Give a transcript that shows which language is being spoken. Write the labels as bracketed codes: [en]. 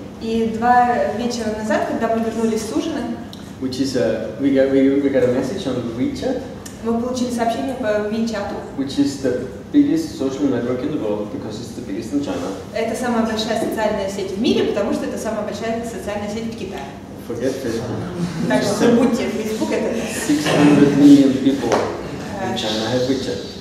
[ru] И два вечера назад, когда мы вернулись с ужина. [en] Which is we got a message on WeChat. [ru] Мы получили сообщение по WeChat. [en] Which is the biggest social network in the world because it's the biggest in China. [ru] Это самая большая социальная сеть в мире, потому что это самая большая социальная сеть в Китае. [en] Forget Facebook. [ru] Так что забудьте Facebook. Это [en] 600 million people in China have WeChat.